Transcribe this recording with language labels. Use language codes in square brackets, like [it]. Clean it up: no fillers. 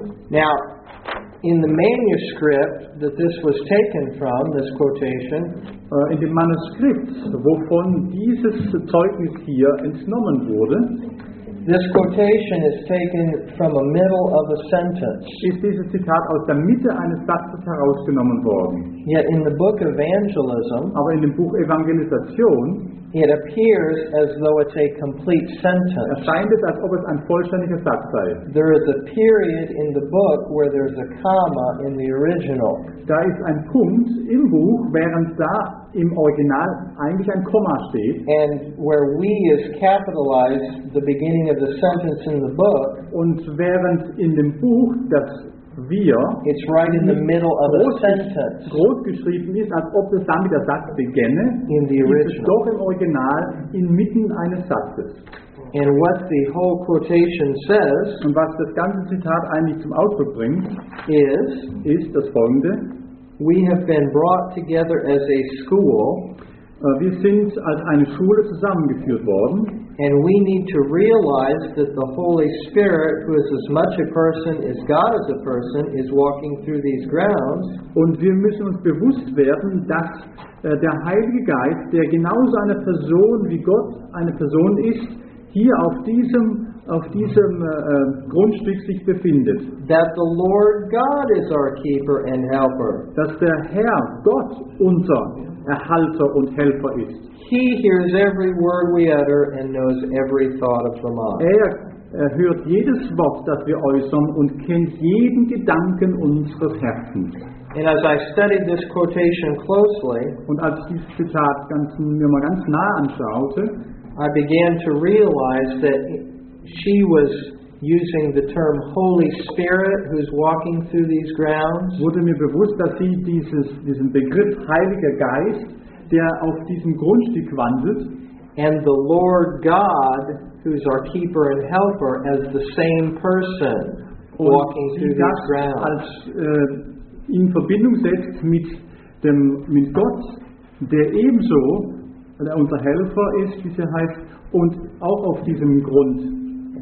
[en] Now, in the manuscript that this was taken from, this quotation, [de] in dem Manuskript, wovon dieses Zeugnis hier entnommen wurde, [en] this quotation is taken from the middle of a sentence. [de] Ist dieses Zitat aus der Mitte eines Satzes herausgenommen worden? [en] Yet in the book Evangelism, [de] aber in dem Buch Evangelisation, [en] it appears as though it's a complete sentence. [de] Erscheint es, als ob es ein vollständiger Satz sei. [en] There is a period in the book where there's a comma in the original. [de] Da ist ein Punkt im Buch, während da im Original eigentlich ein Komma steht. [en] And where we is capitalized, the beginning of the sentence in the book. [de] Und während in dem Buch das wir, [en] it's right in the middle of a sentence. [de] Groß geschrieben ist, als ob es dann mit der Satz beginne. [en] In the original. [de] Ist es doch im Original inmitten eines Satzes. [en] And what the whole quotation says. [de] Und was das ganze Zitat eigentlich zum Ausdruck bringt, ist das Folgende. [en] We have been brought together as a school. [de] Wir sind als eine Schule zusammengeführt worden. [en] And we need to realize that the Holy Spirit, who is as much a person as God is a person, is walking through these grounds. [de] Und wir müssen uns bewusst werden, dass der Heilige Geist, der genauso eine Person wie Gott eine Person ist, hier auf diesem Grundstück sich befindet. [en] That the Lord God is our keeper and helper. [de] Dass der Herr Gott unser Erhalter und Helfer ist. [en] He hears every word we utter and knows every thought of the mind. [de] Er hört jedes Wort, das wir äußern und kennt jeden Gedanken unseres Herzens. [en] And as I studied this quotation closely, [de] und als ich dieses Zitat mir mal ganz nah anschaute, [en] I began to realize that she was using the term Holy Spirit, who's walking through these grounds. [de] Wurde mir bewusst, dass sie diesen Begriff Heiliger Geist, der auf diesem Grundstück wandelt, [en] and the Lord God, who's our keeper and helper, as the same person walking through these grounds. [de] Als in Verbindung setzt mit Gott, der ebenso unser Helfer ist, wie sie heißt, und auch auf diesem Grund